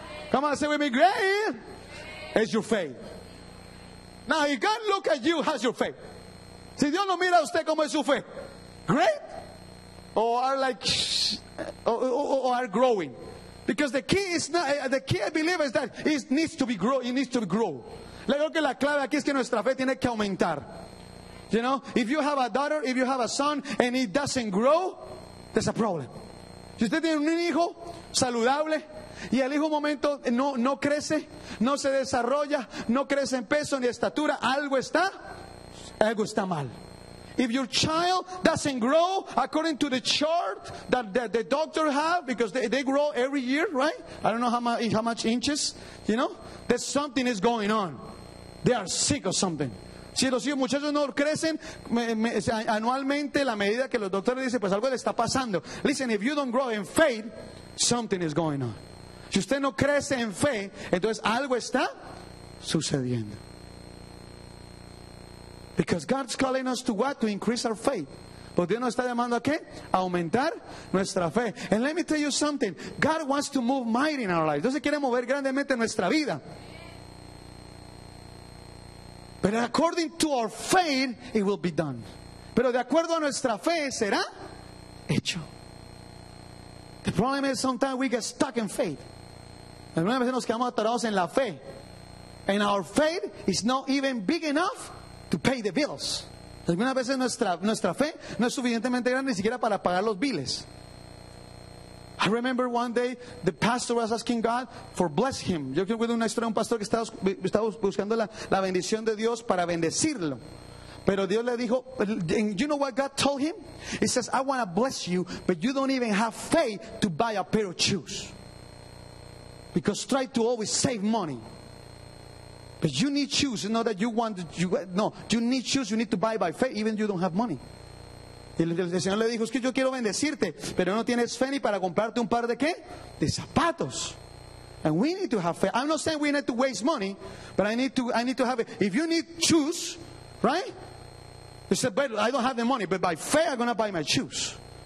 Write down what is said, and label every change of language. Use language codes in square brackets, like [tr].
[en] Come on, say with me, great is your faith. Now, if God look at you, has your faith? [es] Si Dios no mira a usted, ¿cómo es su fe? [en] Great? Or are like, or are growing? Because the key is not, the key I believe is that it needs to be grow. It needs to grow. [es] Le digo que la clave aquí es que nuestra fe tiene que aumentar. [en] You know, if you have a daughter, if you have a son, and it doesn't grow, there's a problem. [es] Si usted tiene un hijo saludable y el hijo un momento no crece, no se desarrolla, no crece en peso ni estatura, algo está mal. [en] If your child doesn't grow according to the chart that the doctor have, because they grow every year, right? I don't know how much inches, you know? There's something is going on. They are sick or something. [es] Si los hijos muchachos no crecen anualmente la medida que los doctores dicen, pues algo le está pasando. [en] Listen, if you don't grow in faith, something is going on. [es] Si usted no crece en fe, entonces algo está sucediendo. [en] Because God's calling us to what? To increase our faith. [es] Pues Dios nos está llamando a qué? A aumentar nuestra fe. [en] And let me tell you something. God wants to move mighty in our lives. [es] Dios se quiere mover grandemente en nuestra vida. [en] But according to our faith, it will be done. [es] Pero de acuerdo a nuestra fe, será hecho. [en] The problem is sometimes we get stuck in faith. [es] Algunas veces nos quedamos atorados en la fe. [en] And our faith is not even big enough to pay the bills. [es] Algunas veces nuestra fe no es suficientemente grande ni siquiera para pagar los biles. [en] I remember one day the pastor was asking God for bless him. [es] Yo creo que una historia de un pastor que estaba buscando la bendición de Dios para bendecirlo. Pero Dios le dijo, [en] and you know what God told him? He says, I want to bless you, but you don't even have faith to buy a pair of shoes. Because try to always save money. But you need shoes, not that you want, you need shoes, you need to buy by faith, even you don't have money. [es] Y el Señor le dijo, es que yo quiero bendecirte, pero no tienes fe ni para comprarte un par de qué? De zapatos. [en] And we need to have faith. I'm not saying we need to waste money, but I need to have it. If you need shoes, right? He said, but I don't have the money, but by faith I'm going to buy my shoes.